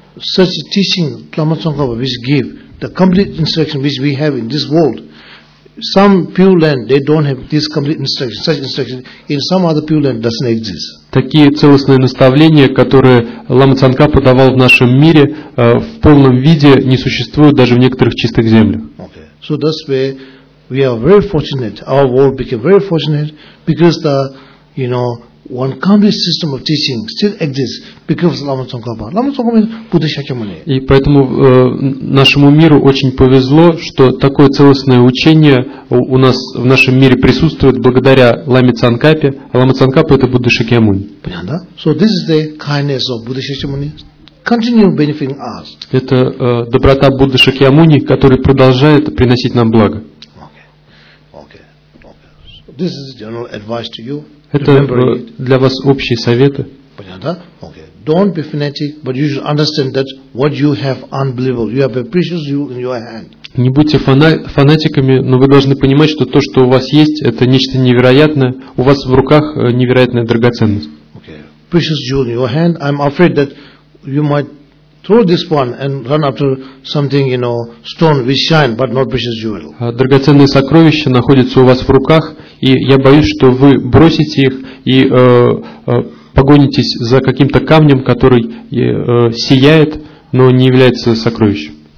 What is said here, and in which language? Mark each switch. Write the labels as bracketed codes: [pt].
[en] Such teaching Lama Tsongkhapa which give the complete instruction which we have in this world. Some pure land they don't have this complete instruction. Such instruction in some other pure land doesn't exist. [ru] Такие целостные наставления, которые Лама Цанкапа давал в нашем мире, в полном виде не существуют даже в некоторых чистых землях. [en] Okay. So that's why we are very fortunate. Our world became very fortunate because the, you know, one complete system of teaching still exists because of Lama Tsongkhapa. Lama Tsongkhapa is Buddha Shakyamuni. [ru] И поэтому нашему миру очень повезло, что такое целостное учение у нас в нашем мире присутствует благодаря Ламе Цанкапе. А Лама Цанкапа это Будда Шакьямуни. [en] Понятно? So this is the kindness of Buddha Shakyamuni. Continue benefiting us. [ru] Это доброта Будды Шакьямуни, который продолжает приносить нам благо. [en] Okay. So this is general advice to you. [ru] Это для вас общие советы. Понятно, да? Okay. [en] Don't be fanatic, but you should understand that what you have unbelievable. You have a precious jewel in your hand. [ru] Не будьте фанатиками, но вы должны понимать, что то, что у вас есть, это нечто невероятное. У вас в руках невероятная драгоценность. [en] Okay. Precious jewel in your hand. I'm afraid that you might throw this one and run after something, you know, stone which shine, but not precious jewel. [ru] Драгоценные сокровища находятся у вас в руках, и я боюсь, что вы бросите их и погонитесь за каким-то камнем, который сияет, но не является сокровищем.